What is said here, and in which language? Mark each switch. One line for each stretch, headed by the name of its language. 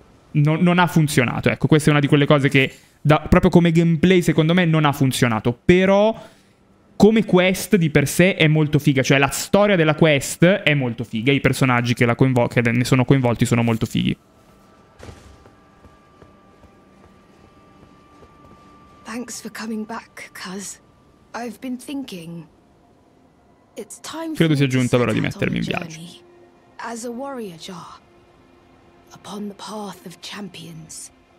Italian: Non ha funzionato, ecco, questa è una di quelle cose che proprio come gameplay secondo me non ha funzionato, però come quest di per sé è molto figa, cioè la storia della quest è molto figa, i personaggi che ne sono coinvolti sono molto fighi.
English: Thanks for coming back, cuz I've been thinking. It's time
Italian: for... Credo sia giunta l'ora di mettermi in viaggio.
English: As a warrior, Jar. Upon the path of champions.